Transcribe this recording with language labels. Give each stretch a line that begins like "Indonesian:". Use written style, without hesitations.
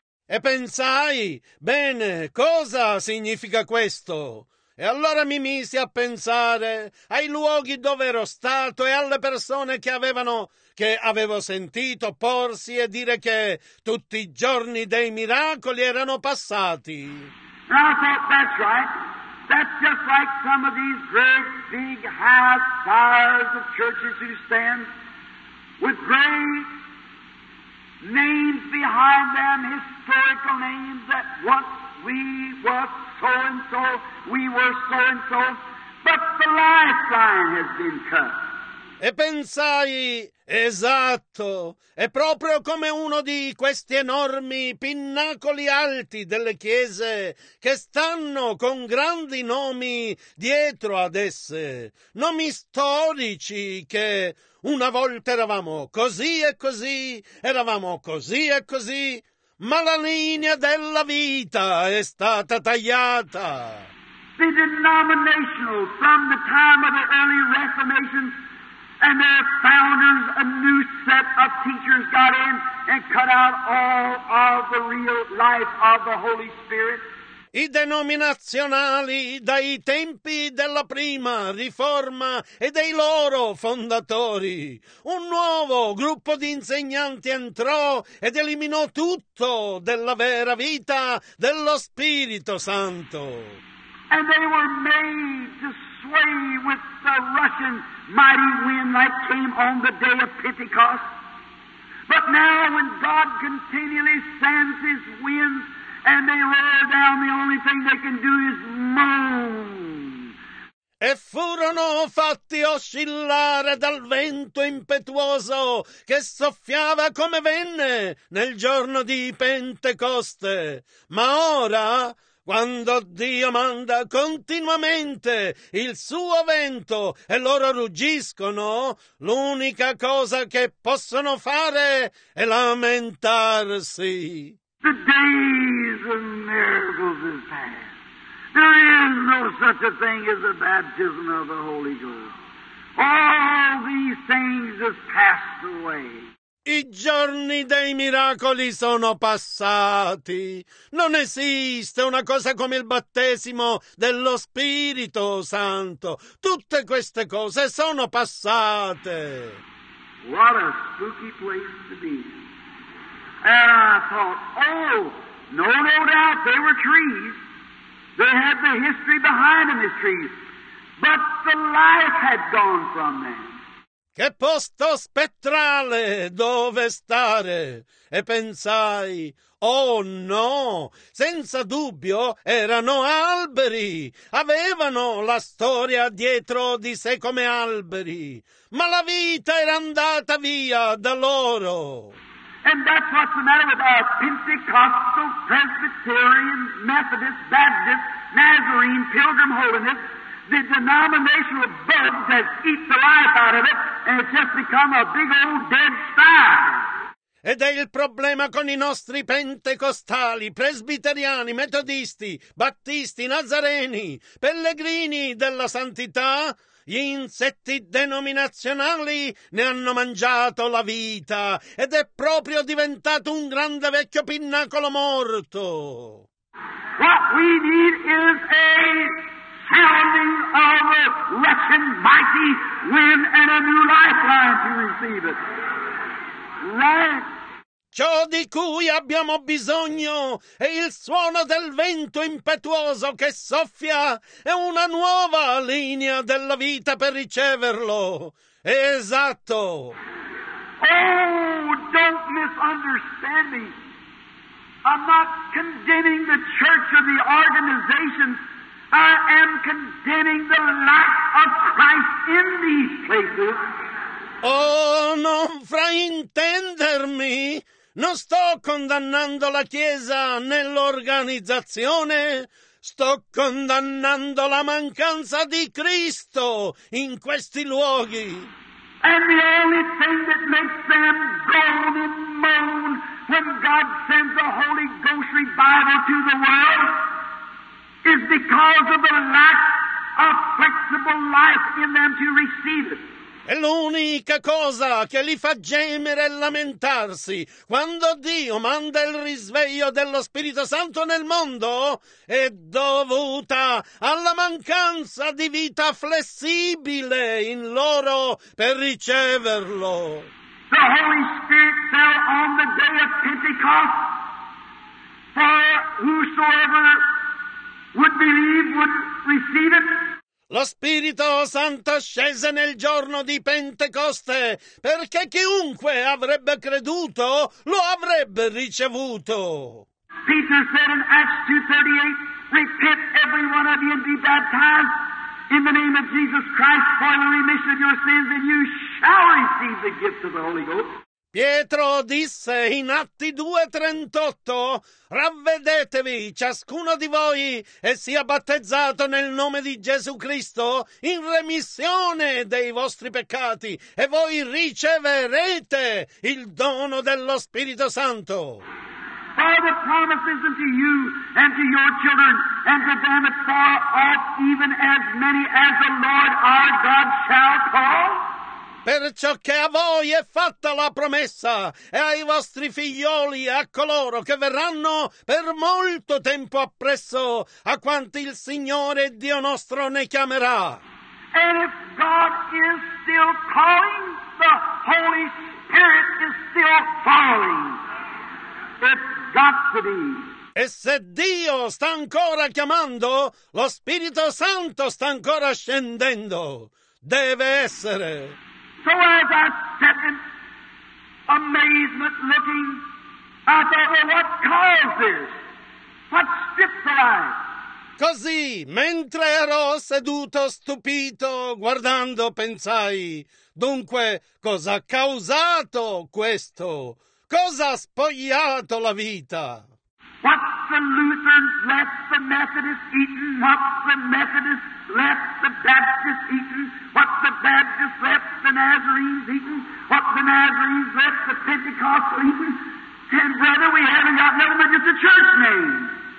Italian: E pensai, bene, cosa significa questo? E allora mi misi a pensare ai luoghi dove ero stato e alle persone che avevo sentito porsi e dire che tutti i giorni dei miracoli erano passati.
English: And I thought, that's right. That's just like some of these great big house fires of churches who stand with great names behind them, historical names that once we were so-and-so, we were so-and-so, but the lifeline has been cut.
Italian: E pensai, esatto, è proprio come uno di questi enormi pinnacoli alti delle chiese che stanno con grandi nomi dietro ad esse, nomi storici che una volta eravamo così e così, eravamo così e così, ma la linea della vita è stata tagliata.
English: The denominational from the time of the early Reformation and their founders, a new set of teachers got in and cut out all of the real life of the Holy Spirit.
Italian: I denominazionali dai tempi della prima riforma e dei loro fondatori. Un nuovo gruppo di insegnanti entrò ed eliminò tutto della vera vita dello Spirito Santo.
English: And they were made to sway with the rushing mighty wind that came on the day of Pentecost. But now when God continually sends his winds and they roar down, the only thing they can do is moan.
Italian: E furono fatti oscillare dal vento impetuoso che soffiava come venne nel giorno di Pentecoste. Ma ora, quando Dio manda continuamente il suo vento e loro ruggiscono, l'unica cosa che possono fare è lamentarsi.
English: The days of miracles is past. There is no such a thing as the baptism of the Holy Ghost. All these things have passed away.
Italian: I giorni dei miracoli sono passati. Non esiste una cosa come il battesimo dello Spirito Santo. Tutte queste cose sono passate.
English: What a spooky place to be. And I thought, oh, no doubt, they were trees. They had the history behind them as trees. But the life had gone from them.
Italian: Che posto spettrale dove stare? E pensai, oh no, senza dubbio erano alberi, avevano la storia dietro di sé come alberi, ma la vita era andata via da loro.
English: And that's what's the matter with our Pentecostal, Presbyterian, Methodist, Baptist, Nazarene, Pilgrim Holiness. The denominational bugs has eaten the life out of it and it's just become a big old dead star.
Italian: Ed è il problema con i nostri pentecostali, presbiteriani, metodisti, battisti, nazareni, pellegrini della santità. Gli insetti denominazionali ne hanno mangiato la vita ed è proprio diventato un grande vecchio pinnacolo morto.
English: What we need is a sounding of a rushing mighty wind and a new lifeline to receive it. Right.
Italian: Ciò di cui abbiamo bisogno è il suono del vento impetuoso che soffia e una nuova linea della vita per riceverlo. Esatto.
English: Oh, don't misunderstand me. I'm not condemning the church or the organization. I am condemning the lack of Christ in these places.
Italian: Oh, non fraintendermi. Non sto condannando la Chiesa nell'organizzazione, sto condannando la mancanza di Cristo in questi luoghi.
English: And the only thing that makes them groan and moan when God sends a Holy Ghost revival to the world is because of the lack of flexible life in them to receive it.
Italian: E l'unica cosa che li fa gemere e lamentarsi quando Dio manda il risveglio dello Spirito Santo nel mondo è dovuta alla mancanza di vita flessibile in loro per riceverlo.
English: The Holy Spirit fell on the day of Pentecost for whosoever would believe would receive it.
Italian: Lo Spirito Santo scese nel giorno di Pentecoste perché chiunque avrebbe creduto lo avrebbe ricevuto.
English: Peter said in Acts 2:38, repent every one of you and be baptized in the name of Jesus Christ for the remission of your sins and you shall receive the gift of the Holy Ghost.
Italian: Pietro disse in Atti 2:38, ravvedetevi ciascuno di voi e sia battezzato nel nome di Gesù Cristo in remissione dei vostri peccati e voi riceverete il dono dello Spirito Santo.
English: For the promises unto you and to your children and to them that far off, even as many as the Lord our God shall call.
Italian: Perciò che a voi è fatta la promessa e ai vostri figlioli e a coloro che verranno per molto tempo appresso, a quanti il Signore Dio nostro ne chiamerà.
English: And if God is still calling, the Holy Spirit is still falling. It's got to be.
Italian: E se Dio sta ancora chiamando, lo Spirito Santo sta ancora scendendo. Deve essere.
English: So as I sat in amazement looking, I thought, well, what causes? What stupefies?
Italian: Così, mentre ero seduto stupito, guardando, pensai, dunque, cosa ha causato questo? Cosa ha spogliato la vita?
English: What's the Lutherans left the Methodists eaten? What's the Methodists left the Baptists eaten? What's the Baptists left the Nazarenes eaten? What's the Nazarenes left the Pentecostals eaten? And brother, we haven't got no religious church name.